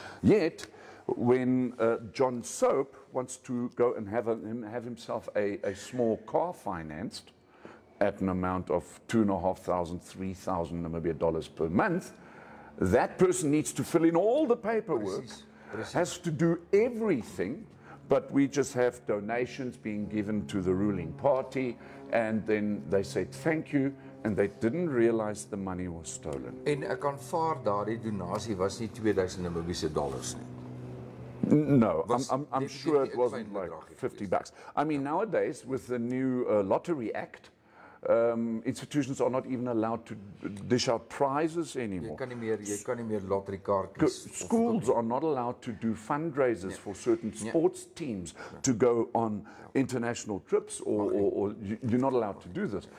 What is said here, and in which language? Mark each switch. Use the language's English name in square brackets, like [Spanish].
[English] Yet, when John Soap wants to go and have himself a small car financed at an amount of 2,500, 3,000 Namibia dollars per month, that person needs to fill in all the paperwork, [Afrikaans] precies. [English] Has to do everything, but we just have donations being given to the ruling party, and then they said thank you, and they didn't realize the money was stolen. [Afrikaans] En ek aanvaar daardie donasie was nie 2,000 Namibiese dollars nie. [English] No, I'm sure it wasn't like 50 bucks. I mean, nowadays, with the new Lottery Act, institutions are not even allowed to dish out prizes anymore. [Afrikaans] Jy kan nie meer lottery kaartjies. [English] Schools are not allowed to do fundraisers for certain sports teams to go on international trips or you're not allowed to do this.